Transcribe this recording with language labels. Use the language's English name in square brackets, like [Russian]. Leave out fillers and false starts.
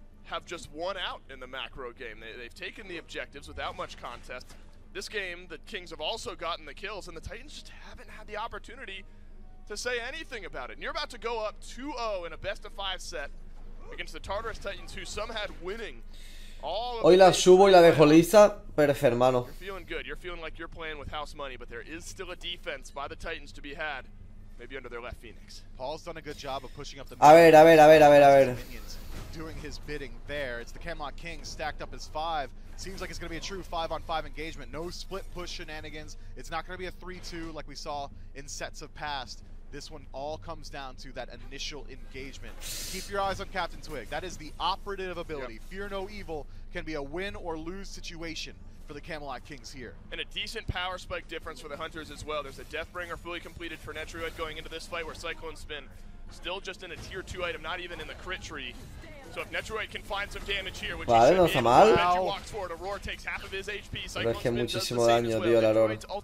[English] Have just won out in the macro game. They've taken the objectives without much contest. This game, the Kings have also gotten the kills, and the Titans just haven't had the opportunity to say anything about it. And you're about to go up 2-0 in a best of five set against the Tartarus Titans, who some had winning. All [Spanish] hoy la subo y la dejo lista, pero es hermano. [English] You're feeling good. You're feeling like you're playing with house money, but there is still a defense by the Titans to be had, maybe under their left Phoenix. Paul's done a good job of pushing up the. [Spanish] A ver. [English] Doing his bidding there. It's the Camelot King stacked up as five. Seems like it's going to be a true five-on-five engagement. No split push shenanigans. It's not going to be a 3-2 like we saw in sets of past. This one all comes down to that initial engagement. Keep your eyes on Captain Twig. That is the operative ability. Yep. Fear no evil can be a win or lose situation for the Camelot Kings here. And a decent power spike difference for the Hunters as well. There's a Deathbringer fully completed for Netruid going into this fight where Cyclone Spin still just in a tier 2 item, not even in the crit tree. So if Netroid can find some damage here, which [Spanish] vale, no está mal. Pero es que muchísimo daño dio el Aror.